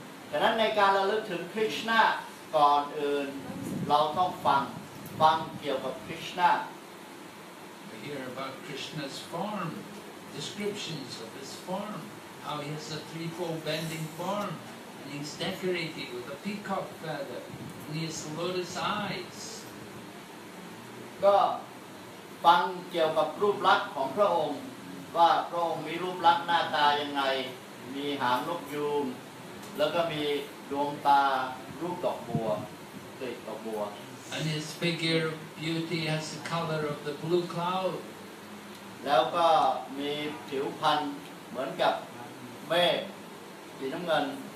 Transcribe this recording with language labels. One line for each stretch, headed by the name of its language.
Thai: ฉะนั้นในการระลึกถึงคริสต์นาก่อนอื่นเราต้องฟังเกี่ยวกับคริสต์นา
English: We hear about Krishna's form descriptions of his form how he has a threefold bending form and he's decorated with a peacock feather and he has lotus eyes
Thai: ก็ฟังเกี่ยวกับรูปลักษณ์ของพระองค์ว่าพระองค์มีรูปลักษณ์หน้าตายังไงมีหางนกยูงแล้วก็มีดวงตารูปดอกบัวติดดอกบัว
English: And his figure of beauty has the color of the blue cloud
Thai: แล้วก็มีผิวพรรณเหมือนกับเมฆสีน้ำเงิน